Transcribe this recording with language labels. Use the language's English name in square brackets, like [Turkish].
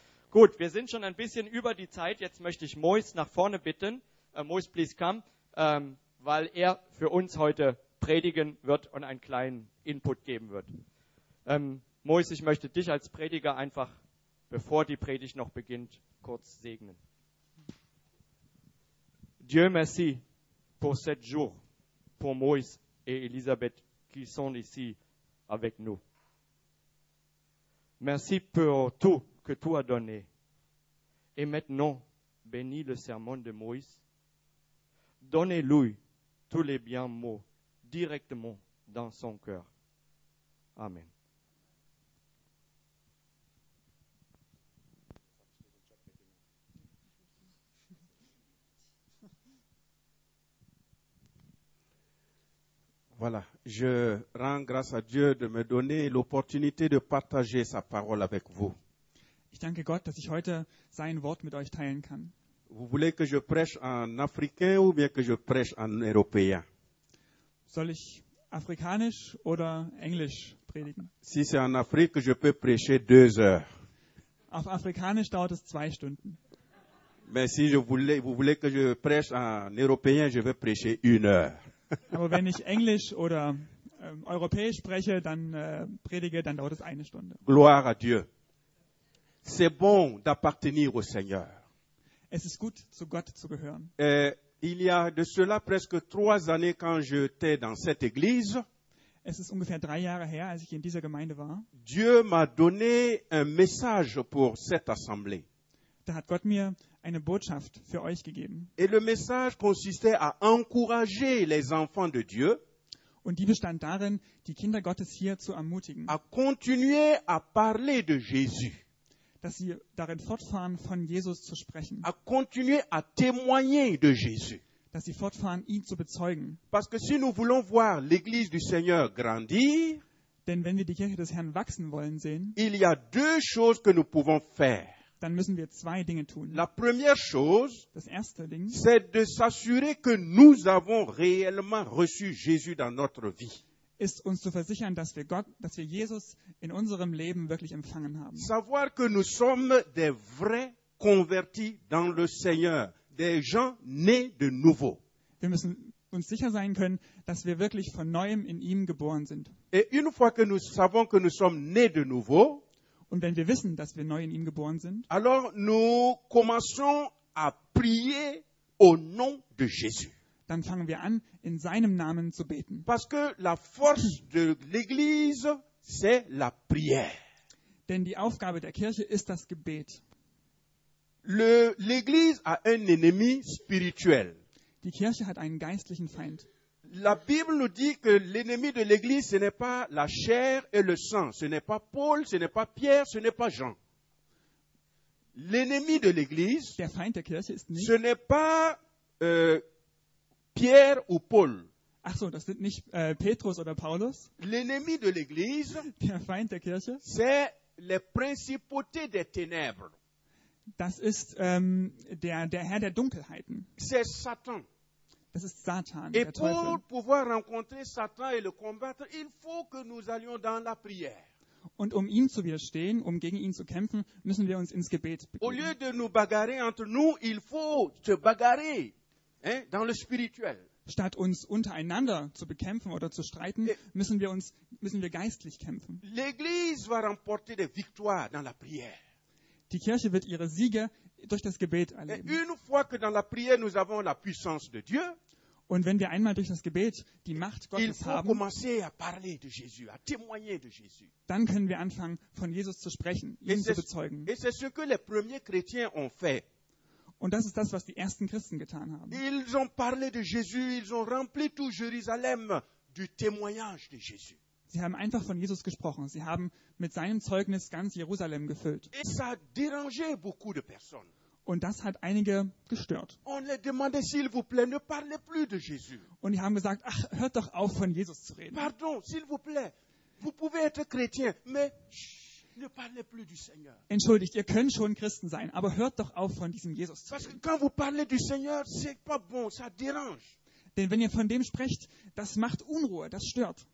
[German] Gut, wir sind schon ein bisschen über die Zeit. Jetzt möchte ich Mois nach vorne bitten. Mois, [English] please come, [German] weil er für uns heute predigen wird und einen kleinen Input geben wird. Mois, ich möchte dich als Prediger einfach, bevor die Predigt noch beginnt, kurz segnen. [French] Dieu merci pour cette jour, pour Mois et Elisabeth qui sont ici avec nous. Merci pour tout que tu as donné. Et maintenant, bénis le sermon de Moïse. Donnez-lui tous les bien mots directement dans son cœur. Amen. Voilà, je rends grâce à Dieu de me donner l'opportunité de partager sa parole avec vous. [German] Ich danke Gott, dass ich heute sein Wort mit euch teilen kann. [French] Vous voulez que je prêche en africain ou bien que je prêche en européen? [German] Soll ich afrikanisch oder englisch predigen? [French] Si c'est en Afrique, je peux prêcher deux heures. [German] Auf afrikanisch dauert es zwei Stunden. [French] Mais si je voulais, vous voulez que je prêche en européen, je vais prêcher une heure. [German] Aber wenn ich englisch oder europäisch spreche, dann predige, dann dauert es eine Stunde. [French] Gloire à Dieu. C'est bon d'appartenir au Seigneur. [German] Es ist gut, zu Gott zu gehören. [French] Il y a de cela presque trois années quand j'étais dans cette église. [German] Es ist ungefähr drei Jahre her, als ich in dieser Gemeinde war. [French] Dieu m'a donné un message pour cette assemblée. [German] Da hat Gott mir eine Botschaft für euch gegeben. [French] Et le message consistait à encourager les enfants de Dieu. [German] Und die bestand darin, die Kinder Gottes hier zu ermutigen. [French] À continuer à parler de Jésus. [German] Dass sie darin fortfahren, von Jesus zu sprechen. [French] À continuer à témoigner de Jésus. [German] Dass sie fortfahren, ihn zu bezeugen. [French] Parce que si nous voulons voir l'église du Seigneur grandir, [German] denn wenn wir die Kirche des Herrn wachsen wollen sehen, [French] il y a deux choses que nous pouvons faire. [German] Dann müssen wir zwei Dinge tun. [French] La première chose, [German] das erste Ding, [French] c'est de s'assurer que nous avons réellement reçu Jésus dans notre vie. [German] Ist uns zu versichern, dass wir Gott, dass wir Jesus in unserem Leben wirklich empfangen haben. [French] Savoir que nous sommes des vrais convertis dans le Seigneur, des gens nés de nouveau. [German] Wir müssen uns sicher sein können, dass wir wirklich von neuem in ihm geboren sind. [French] Et une fois que nous savons que nous sommes nés de nouveau, [German] und wenn wir wissen, dass wir neu in ihm geboren sind, [French] alors nous commençons à prier au nom de Jésus. [German] Dann fangen wir an, in seinem Namen zu beten. [French] Parce que la force de l'église, c'est la prière. [German] Denn die Aufgabe der Kirche ist das Gebet. [French] L'église a un ennemi spirituel. [German] Die Kirche hat einen geistlichen Feind. [French] La Bible nous dit que l'ennemi de l'église, ce n'est pas la chair et le sang. Ce n'est pas Paul, ce n'est pas Pierre, ce n'est pas Jean. L'ennemi de l'église, [German] der Feind der Kirche ist nicht, [French] ce n'est pas Pierre ou Paul. [German] Ach so, das sind nicht Petrus oder Paulus. [French] L'ennemi de l'église, [German] der Feind der Kirche, [French] c'est les principautés des ténèbres. [German] Das ist der Herr der Dunkelheiten. [French] C'est Satan. [German] Das ist Satan. [French] Et pour pouvoir rencontrer Satan et le combattre, il faut que nous allions dans la prière. [German] Und um ihm zu widerstehen, um gegen ihn zu kämpfen, müssen wir uns ins Gebet begeben. [French] Au lieu de nous bagarrer entre nous, il faut se bagarrer. Dans le spirituel. [German] Statt uns untereinander zu bekämpfen oder zu streiten, müssen wir geistlich kämpfen. [French] L'église va remporter des victoires dans la prière. [German] Die Kirche wird ihre Siege durch das Gebet erleben. [French] Et une fois que dans la prière nous avons la puissance de Dieu, [German] und wenn wir einmal durch das Gebet die Macht Gottes [French] il faut [German] haben, [French] commencer à parler de Jésus, à témoigner de Jésus. [German] Dann können wir anfangen, von Jesus zu sprechen, ihn zu bezeugen. [French] Et c'est ce que les premiers chrétiens ont fait. [German] Und das ist das, was die ersten Christen getan haben. [French] Ils ont parlé de Jésus, ils ont rempli tout Jérusalem du témoignage de Jésus. [German] Sie haben einfach von Jesus gesprochen. Sie haben mit seinem Zeugnis ganz Jerusalem gefüllt. [French] Et ça a dérangé beaucoup de personnes. [German] Und das hat einige gestört. [French] On les demandait, s'il vous plaît, ne parlez plus de Jésus. [German] Und die haben gesagt, ach, hört doch auf, von Jesus zu reden. [French] Pardon, s'il vous plaît. Vous pouvez être chrétien, mais ne parlez plus du Seigneur. [German] Entschuldigt, ihr könnt schon Christen sein, aber hört doch auf, von diesem Jesus zu reden. [French] Parce que quand vous parlez du Seigneur, c'est pas bon, ça dérange. [German] Denn wenn ihr von dem sprecht, das macht Unruhe, das stört.